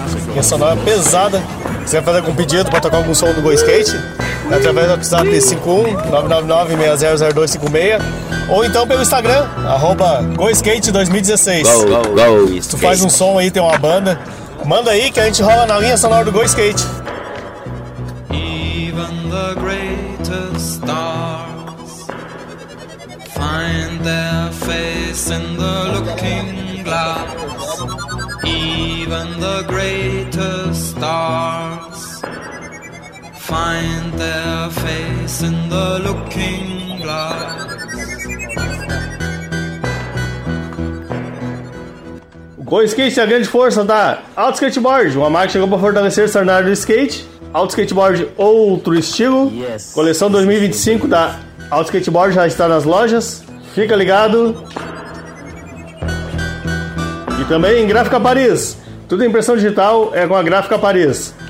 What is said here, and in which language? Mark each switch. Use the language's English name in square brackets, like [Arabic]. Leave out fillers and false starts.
[Portuguese] Linha sonora pesada. Você vai fazer algum pedido para tocar algum som do Go Skate? É através do WhatsApp 51999600256. Ou então pelo Instagram, arroba GoSkate2016. Go Skate. Tu faz um som aí, tem uma banda. Manda aí que a gente rola na linha sonora do Go Skate. [English] Even the greatest stars find their face in the looking glass. Even the greatest stars find their face in the looking glass. [Portuguese] O Go Skate é a grande força da Auto Skateboard, uma marca que chegou para fortalecer o cenário do skate. Auto Skateboard Outro Estilo, [English] yes. [Portuguese] Coleção 2025 da Auto Skateboard já está nas lojas. Fica ligado. E também em Gráfica Paris. Tudo em impressão digital é com a Gráfica Paris.